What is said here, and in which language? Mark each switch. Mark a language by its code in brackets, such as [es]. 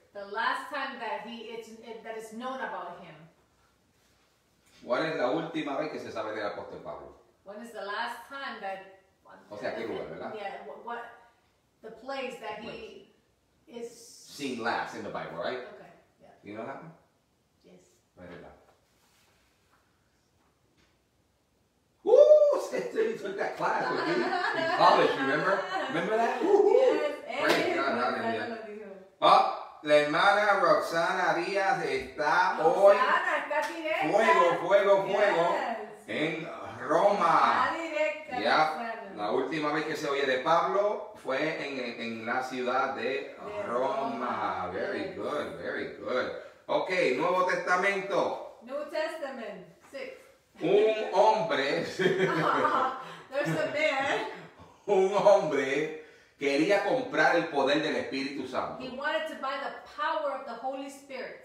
[en] The last time that that is known about him. [es] ¿Cuál es la última vez que se sabe del apóstol Pablo? [en] When is the last time that [es] o sea, ¿qué lugar, verdad? [en] Yeah, what the place that he is seen last in the Bible, right? Okay, yeah. You know what happened? Yes. Write it down. Woo! He took that class with me in college, remember? Remember that? Woo-hoo! Yes. Praise God, hallelujah. [es] Oh, la hermana Roxana Díaz está hoy. Roxana está directa. Fuego, fuego, fuego. [en] Yes. [es] En Roma. Está directa. Ya. Yeah. La última vez que se oye de Pablo fue en la ciudad de Roma. [en] Very good, very good. Ok, [es] Nuevo Testamento. [en] New Testament, 6. [es] Un hombre. [en] There's a man. [es] Un hombre quería comprar el poder del Espíritu Santo. [en] He wanted to buy the power of the Holy Spirit.